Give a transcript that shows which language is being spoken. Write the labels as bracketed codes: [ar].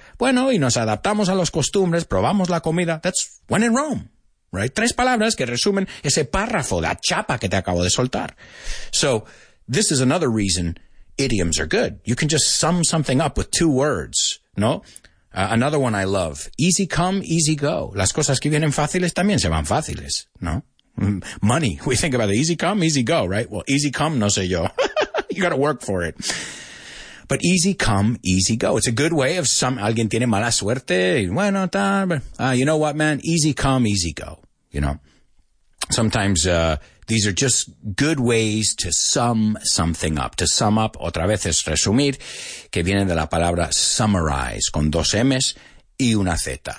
[es] Bueno, y nos adaptamos a los costumbres, probamos la comida. [en] That's when in Rome, right? [es] Tres palabras que resumen ese párrafo, la chapa que te acabo de soltar. [en] So this is another reason idioms are good. You can just sum something up with two words, no? Another one I love. Easy come, easy go. [es] Las cosas que vienen fáciles también se van fáciles, ¿no? [en] Money. We think about it. Easy come, easy go, right? Well, easy come, [es] no sé yo. [en] You got to work for it. But easy come, easy go. It's a good way of some... [es] Alguien tiene mala suerte. [en] Bueno, tal. You know what, man? Easy come, easy go. You know? Sometimes these are just good ways to sum something up. [es] To sum up, otra vez es resumir, que viene de la palabra summarize, con dos M's y una Z.